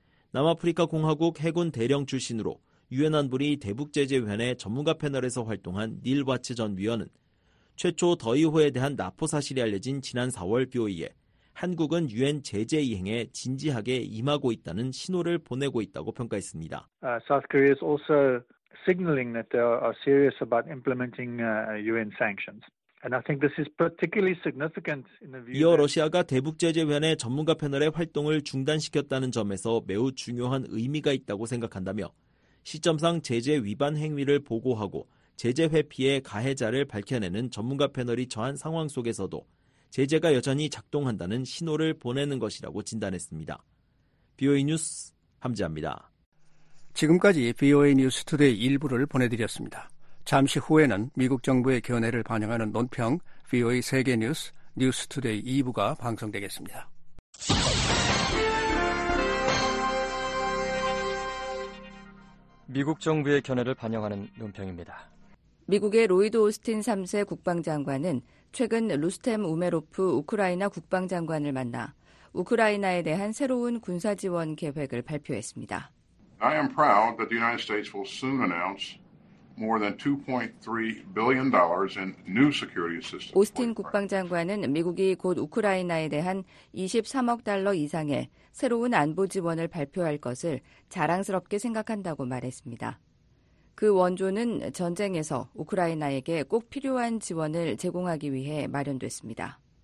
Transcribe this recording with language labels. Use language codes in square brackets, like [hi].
[ko] 남아프리카 공화국 해군 대령 출신으로 유엔 안보리 대북 제재 위원회 전문가 패널에서 활동한 닐 와츠 전 위원은 최초 더이호에 대한 납포 사실이 알려진 지난 4월 BOE에 한국은 유엔 제재 이행에 진지하게 임하고 있다는 신호를 보내고 있다고 평가했습니다. [en] South Korea is also signaling that they are serious about implementing UN sanctions. And I think this is particularly significant in the view. [ko] 이어 러시아가 대북 제재 위원회 전문가 패널의 활동을 중단시켰다는 점에서 매우 중요한 의미가 있다고 생각한다며 시점상 제재 위반 행위를 보고하고 제재 회피의 가해자를 밝혀내는 전문가 패널이 처한 상황 속에서도 제재가 여전히 작동한다는 신호를 보내는 것이라고 진단했습니다. BOA 뉴스 함지아입니다. 지금까지 BOA 뉴스 투데이 일부를 보내드렸습니다. 잠시 후에는 미국 정부의 견해를 반영하는 논평 BOA 세계 뉴스 뉴스 투데이 2부가 방송되겠습니다. 미국 정부의 견해를 반영하는 논평입니다. 미국의 로이드 오스틴 3세 국방장관은 최근 루스템 우메로프 우크라이나 국방장관을 만나 우크라이나에 대한 새로운 군사 지원 계획을 발표했습니다. [en] I am proud that the United States will soon announce more than $2.3 billion in new security assistance. [ko] 오스틴 국방장관은 미국이 곧 우크라이나에 대한 23억 달러 이상의 새로운 안보 지원을 발표할 것을 자랑스럽게 생각한다고 말했습니다. 그 원조는 전쟁에서 우크라이나에게 꼭 필요한 지원을 제공하기 위해 마련됐습니다.